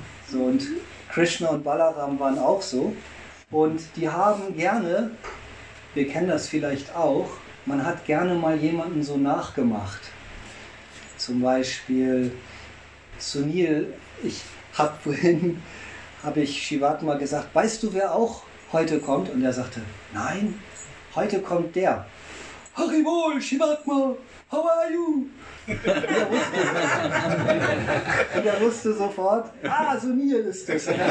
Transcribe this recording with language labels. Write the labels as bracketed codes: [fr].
[de] So, und Krishna und Balaram waren auch so. Und die haben gerne, wir kennen das vielleicht auch, man hat gerne mal jemanden so nachgemacht. Zum Beispiel Sunil, habe ich Shivatma gesagt, weißt du, wer auch heute kommt? Und er sagte, nein, heute kommt der. [en] Hari Bol, Shivatma, how are you? [de] Und er wusste sofort, Sunil ist es.